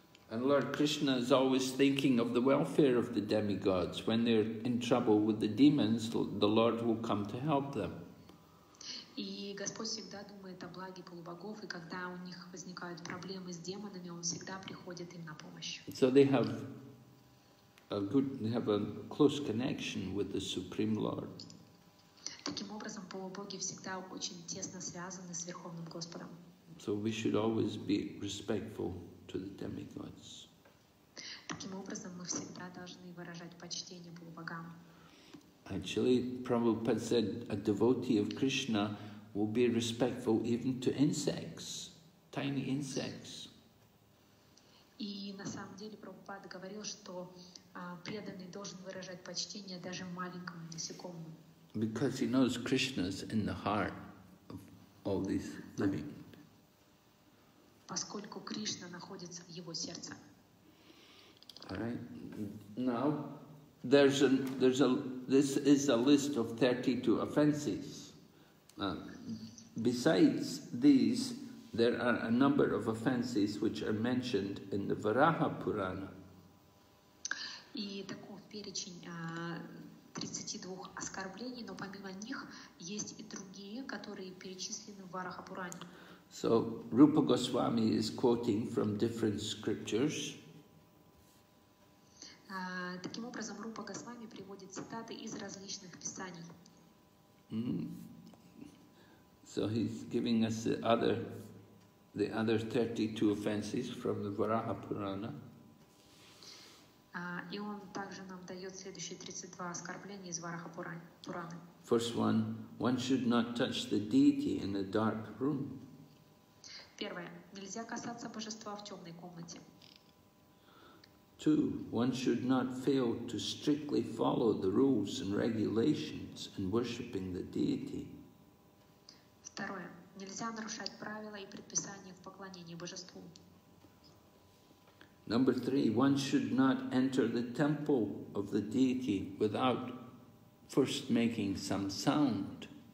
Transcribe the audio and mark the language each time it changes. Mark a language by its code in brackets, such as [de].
[en] And Lord Krishna is always thinking of the welfare of the demigods. When they're in trouble with the demons, the Lord will come to help them. [ru] И Господь всегда думает о благе полубогов, и когда у них возникают проблемы с демонами, он всегда приходит им на помощь. [en] So they have a close connection with the Supreme Lord. [ru] Таким образом, полубоги всегда очень тесно связаны с Верховным Господом. [en] So we should always be respectful to the demigods. [ru] Таким образом, мы всегда должны выражать почтение полубогам. [en] Actually, Prabhupada said a devotee of Krishna will be respectful even to insects, tiny insects. [ru] И на самом деле Прабхупада говорил, что преданный должен выражать почтение даже маленькому насекомому. [en] Because he knows Krishna's in the heart of all these living. [ru] Поскольку Кришна находится в его сердце. [en] All right. Now, this is a list of 32 offenses. Besides these, There are a number of offenses which are mentioned in the Varaha Purana. [ru] И таков перечень 32 оскорблений, но помимо них есть и другие, которые перечислены в Вараха Пуране. [en] So Rupa Goswami is quoting from different scriptures. [ru] Таким образом, Рупа Госвами приводит цитаты из различных писаний. [en] So he's giving us the other 32 offenses from the Varaha Purana. [ru] И он также нам дает следующие 32 оскорбления из Вараха Пураны. [en] First one, one should not touch the deity in a dark room. [ru] Первое, нельзя касаться божества в темной комнате. [en] Two, one should not fail to strictly follow the rules and regulations in worshipping the deity. [ru] Второе, нельзя нарушать правила и предписания в поклонении божеству. [en] Number three, one should not enter the temple of the deity without first making some sound.